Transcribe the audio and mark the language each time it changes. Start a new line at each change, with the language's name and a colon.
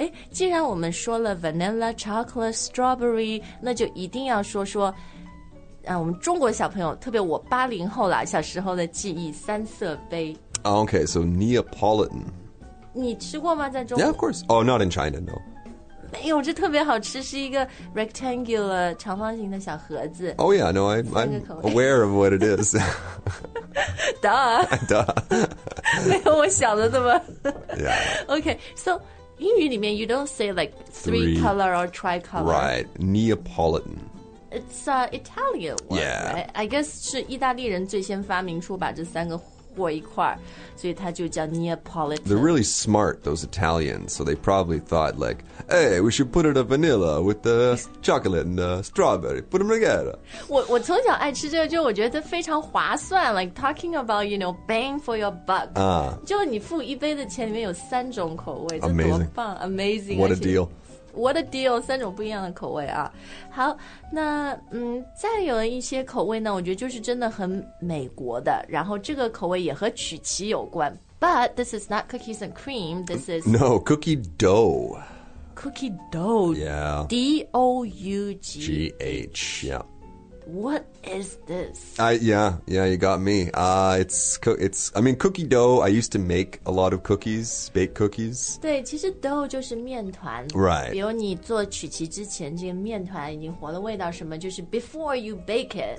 Chinese: 经典,也可以。既然我们说了 vanilla, chocolate, strawberry, 那就一定要说说我们中国小朋友,特别我80后啦,小时候的记忆,三色杯。Okay,
English: so Neapolitan.
Chinese: 你吃过吗,在中国?
English: Yeah, of course. Oh, not in China, no.
Chinese: 没有，这特别好吃，是一个 rectangular 长方形的小盒子。
English: Oh yeah, no, I'm aware of what it is. Duh. Duh.
Chinese: 没有我想的这么。
English: Yeah. Okay, so
Chinese: 英语里面
English: you don't say like three color or tri-color. Right, Neapolitan. It's Italian one, Yeah. Right? I guess
Chinese: 是意大利人最先发明出把这三个 所以它就叫 Neapolitan.
English: They're really smart, those Italians. So they probably thought like, hey, we should put it a vanilla with the chocolate and the strawberry. Put them together.
Chinese: 我从小爱吃这个，就我觉得非常划算.
English: Like talking about, you know, bang for your buck.
Chinese: 就你付一杯的钱里面有三种口味.
English: Amazing. Amazing. What a deal. What a deal,
Chinese: 三种不一样的口味啊。好,那再有一些口味呢,我觉得就是真的很美国的,然后这个口味也和曲奇有关,
English: but this is not cookies and cream, this is... No, cookie dough. Cookie dough. Yeah. D-O-U-G. G-H, yeah. What is this? Yeah, you got me. It's cookie dough. I used to make a lot of cookies, bake cookies.
Chinese: 对，其实dough就是面团。
English: Right.
Chinese: 比如你做曲奇之前，这个面团已经活的味道什么，就是
English: before you bake it.